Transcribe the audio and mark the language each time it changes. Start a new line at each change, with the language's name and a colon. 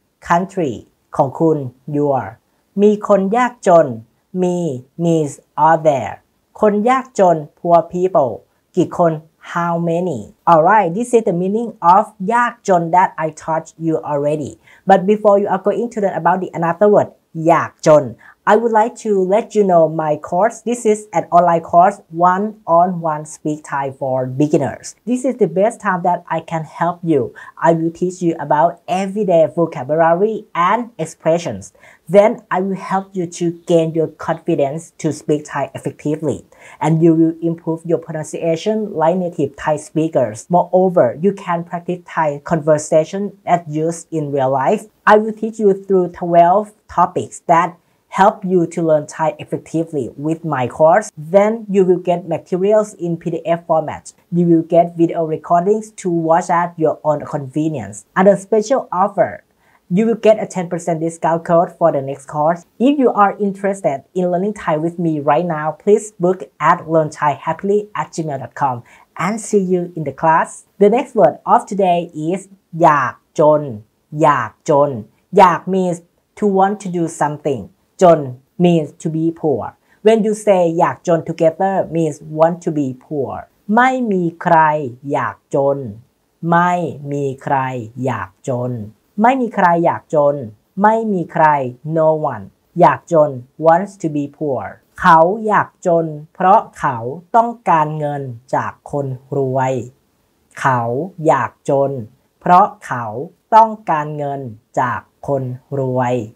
English: country
Thai: ของคุณ
English: your
Thai: มีคนยากจน
English: me means are there
Thai: คนยากจน
English: poor people
Thai: กี่คน
English: how many alright this is the meaning of ยากจน that I taught you already but before you are going to learn about the another word ยากจนI would like to let you know my course. This is an online course, one-on-one speak Thai for beginners. This is the best time that I can help you. I will teach you about everyday vocabulary and expressions. Then I will help you to gain your confidence to speak Thai effectively. And you will improve your pronunciation like native Thai speakers. Moreover, you can practice Thai conversation at use in real life. I will teach you through 12 topics thatHelp you to learn Thai effectively with my course. Then you will get materials in PDF format. You will get video recordings to watch at your own convenience. And a special offer, you will get a 10% discount code for the next course. If you are interested in learning Thai with me right now, please book at learnthaihappily@gmail.com and see you in the class. The next word of today is อยากจน อยากจน อยาก means to want to do something. จน means to be poor. When you say อยากจน together means want to be poor.
Thai: ไม่มีใครอยากจนไม่มีใครอยากจนไม่มีใครอยากจนไม่มีใคร
English: no one
Thai: อยากจน
English: wants to be poor.
Thai: เขาอยากจนเพราะเขาต้องการเงินจากคนรวยเขาอยากจนเพราะเขาต้องการเงินจากคนรวย